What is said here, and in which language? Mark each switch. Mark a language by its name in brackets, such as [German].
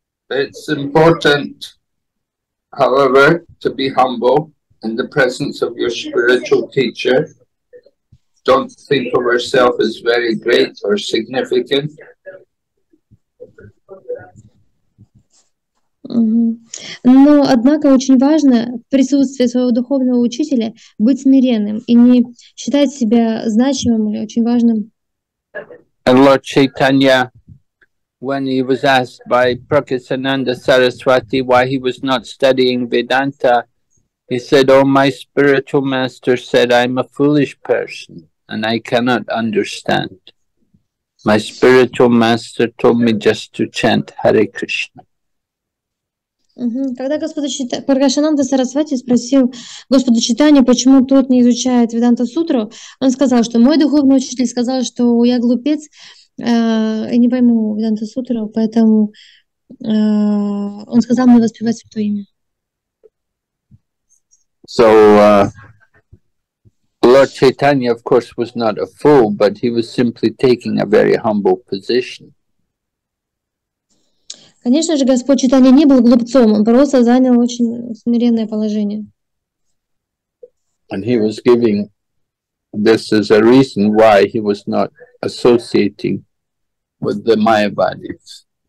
[English] It's important, however, to be humble in the presence of your spiritual teacher. Don't think of yourself as very great or significant. [Russian] Но, однако, очень важно в присутствии своего духовного учителя быть смиренным и не считать себя значимым или очень важным. [English] And Lord Chaitanya, when he was asked by Prakasananda Saraswati why he was not studying Vedanta, he said, "Oh, my spiritual master said I'm a foolish person. And I cannot understand. My spiritual master told me just to chant Hare Krishna." [Russian] Когда Господа Паркашананда Сарасвати спросил Господа Читания, почему тот не изучает Веданта Сутру, он сказал, что мой духовный учитель сказал, что я глупец и не пойму Веданта Сутру, поэтому он сказал мне воспевать Святое Имя. [English] So, Lord Chaitanya, of course, was not a fool, but he was simply taking a very humble position. [Russian] Конечно же, Господь Читания не был глупцом, он просто занял очень смиренное положение. [English] And he was giving this as a reason why he was not associating with the Mayavadis.